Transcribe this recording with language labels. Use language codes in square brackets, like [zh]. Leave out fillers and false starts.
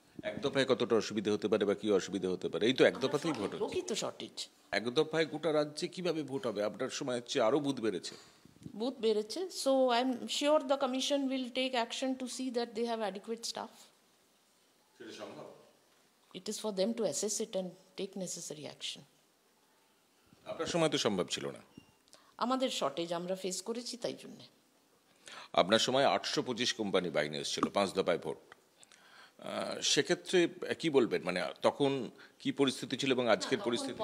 [bn] এক দফায় কতটা অসুবিধা হতে পারে বা কী অসুবিধা হতে পারে? এই তো এক দফাতেই ভোট হচ্ছে, প্রকৃত শর্টেজ। এক দফায় গোটা রাজ্যে কীভাবে ভোট হবে? আপনার সময় হচ্ছে আরও বুথ বেড়েছে, বুথ বেড়েছে, [en] So I am sure the commission will take action to see that they have adequate staff. It is for them to assess it and take necessary action. [bn] আপনার সময় তো সম্ভব ছিল না। আমাদের শর্টেজ আমরা ফেস করেছি তাই জন্য। আপনার সময় 825 কোম্পানি বাহিনী এসেছিল পাঁচ দফায় ভোট। সেক্ষেত্রে কি বলবেন, মানে তখন কি পরিস্থিতি ছিল এবং আজকের পরিস্থিতি?